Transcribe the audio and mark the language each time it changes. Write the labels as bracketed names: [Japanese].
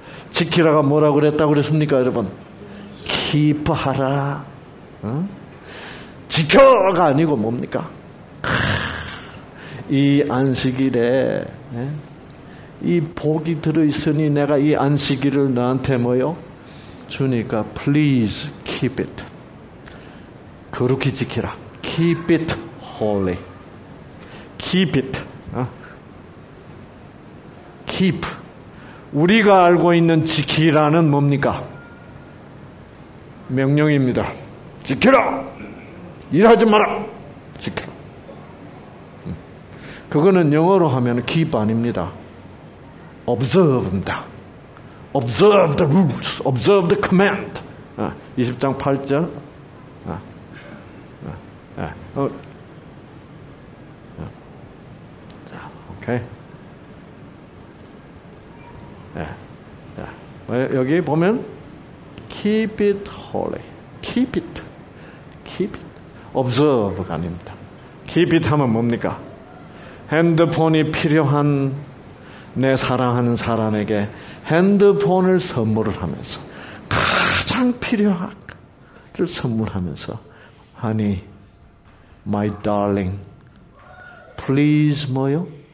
[Korean] 지키라가 뭐라고 그랬다고 그랬습니까, 여러분? 기뻐하라. 어? 지켜가 아니고 뭡니까? 이 안식일에, 예? 이 복이 들어있으니 내가 이 안식일을 너한테 뭐요? 주니까 [English] please keep it. [Korean] 거룩히 지키라. [English] Keep it holy. Keep it. 어? Keep. [Korean] 우리가 알고 있는 지키라는 뭡니까? 명령입니다. 지켜라! 일하지 마라! 지켜라. 그거는 영어로 하면 keep 아닙니다. observe입니다. [English] observe the rules, observe the command. [Korean] 20장 8절. 자, 오케이. 예. 예. 여기 보면 [English] keep it holy. keep it. keep it. [Korean] observe가 아닙니다. keep it 하면 뭡니까? 핸드폰이 필요한 내 사랑하는 사람에게 핸드폰을 선물을 하면서 가장 필요한 것을 선물하면서 [English] honey, my darling, please [Korean] 뭐요?